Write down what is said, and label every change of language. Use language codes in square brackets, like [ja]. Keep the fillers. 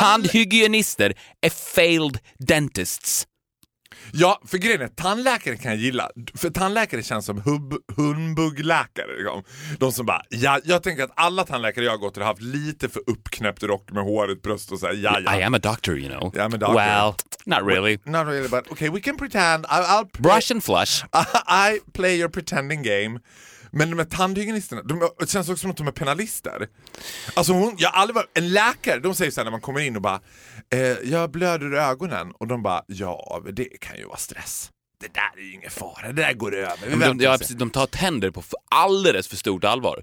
[sv] tandhygienister är [en] failed dentists. [sv] Ja, för grejen är, tandläkare kan jag gilla. För tandläkare känns som hub, humbugläkare. Liksom. De som bara, ja, jag tänker att alla tandläkare jag har gått till har haft lite för uppknäppt rock med håret, bröst och så här, ja, [en] I [sv] ja. [en] am a doctor you know. I'm a doctor. Well, not really. Not really, but okay, we can pretend. I, I'll play, Brush and flush. I play your pretending game. [sv] Men de här tandhygienisterna, de, det känns också som att de är penalister. Alltså hon, jag har aldrig varit, en läkare, de säger så här när man kommer in och bara eh, “Jag blöder i ögonen” och de bara “Ja, men det kan ju vara stress. Det där är ju ingen fara, det där går över. Vi Men väntar och De, ja, ser." precis, de tar tänder på för alldeles för stort allvar.